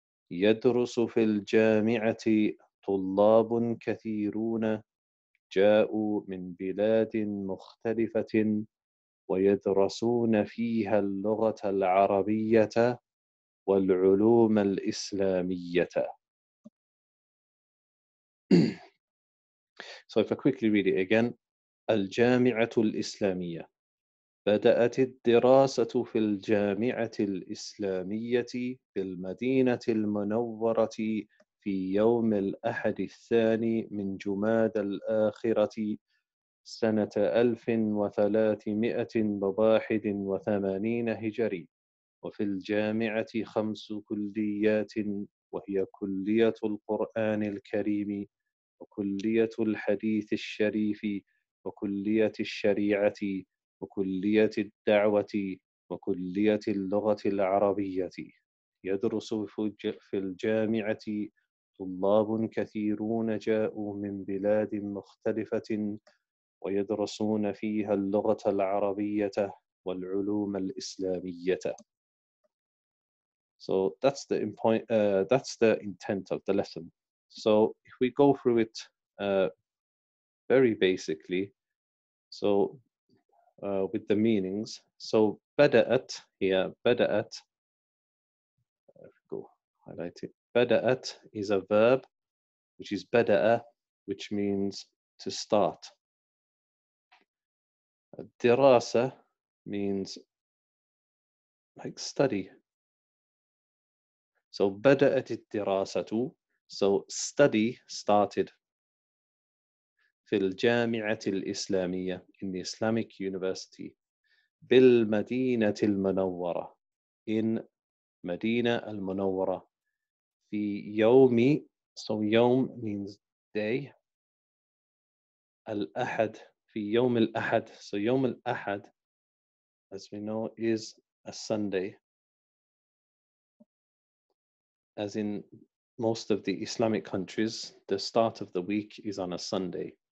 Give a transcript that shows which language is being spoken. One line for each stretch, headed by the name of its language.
Arabic: يدرس في الجامعة طلاب كثيرون جاءوا من بلاد مختلفة ويدرسون فيها اللغة العربية والعلوم الإسلامية.
English: So if I quickly read it again,
Arabic: الجامعة الإسلامية. بدأت الدراسة في الجامعة الإسلامية في المدينة المنورة في يوم الأحد الثاني من جماد الآخرة سنة 1381 هجري. وفي الجامعة خمس كليات وهي كلية القرآن الكريم وكلية الحديث الشريف وكلية الشريعة وكلية الدعوة وكلية اللغة العربية. يدرس في الجامعة طلاب كثيرون جاءوا من بلاد مختلفة ويدرسون فيها اللغة العربية والعلوم الإسلامية.
English: So that's the point, that's the intent of the lesson. So if we go through it very basically, so with the meanings. So بدأت here, بدأت, go highlight it. بدأت is a verb which is بدأ, which means to start. الدراسة means like study. So
Arabic: بدأت الدراسة,
English: so study started.
Arabic: في الجامعة الإسلامية,
English: in the Islamic University.
Arabic: بالمدينة المنورة, in مدينة المنورة.
English: the yomi, so yom means day.
Arabic: Al-ahad, fi yom al-ahad.
English: So yom al-ahad, as we know, is a Sunday. As in most of the Islamic countries, the start of the week is on a Sunday.